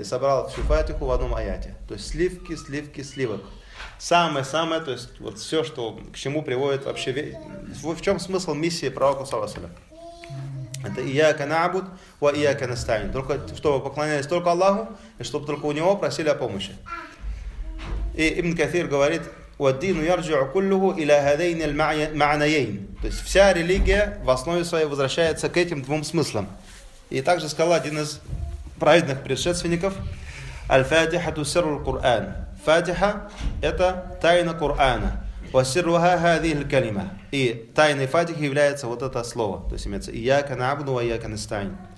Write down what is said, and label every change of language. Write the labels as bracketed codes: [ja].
[ru] И собрал всю Фатиху в одном аяте. То есть сливки, сливки, сливок. Самое-самое, то есть вот все, что, к чему приводит вообще... В чем смысл миссии пророка, саллаллаху алейхи ва саллям? Это [ar] «Ияка наабуд ва ияка настаин». [ru] Только чтобы поклонялись только Аллаху, и чтобы только у Него просили о помощи. И Ибн Кафир говорит, [ar] وَالدِّينُ يَرْجِعُ كُلُّهُ إِلَى هَذَيْنِ الْمَعْنَيَيْنِ. [ru] То есть вся религия в основе своей возвращается к этим двум смыслам. И также сказал один из праведных предшественников, [ar] الْفَاتِحَ تُسِرُّ الْقُرْآنِ. [ru] Фатиха – это тайна Кур'ана. [ar] وَسِرُّهَا هَذِهِ الْكَلِمَةِ. [ru] И тайной Фатихи является вот это слово. То есть имеется [ar] «Ияка наабуду ва ияка настаин».